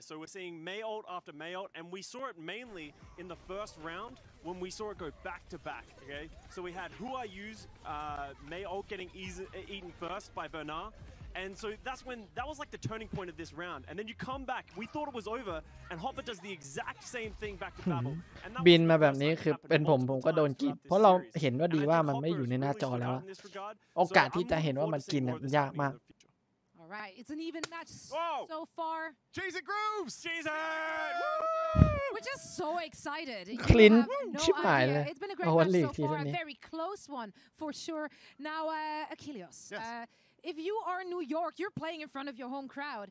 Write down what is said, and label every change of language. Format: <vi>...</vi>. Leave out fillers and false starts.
<en>So we're seeing Mei ult after Mei ult, and we saw it mainly in the first round when we saw it go back to back. Okay, so we had Hua use Mei ult getting eaten first by Bernard. And so that's when that was like the turning point of this round. And then you come back. We thought it was over, and Hopper does the exact same thing back to Babel.</en> <th>บินมาแบบนี้คือเป็นผมก็โดนกินเพราะเราเห็นว่าดีว่ามันไม่อยู่ในหน้าจอแล้วโอกาสที่จะเห็นว่ามันกินมันยากมาก</th> <en>All right, it's an even match so far. Cheez-It Grooves, Cheez-It. We're just so excited. Clean, chip my leg. It's been a great match so far. A very close one for sure. Now, Achilleos. If you are in New York, you're playing in front of your home crowd.</en>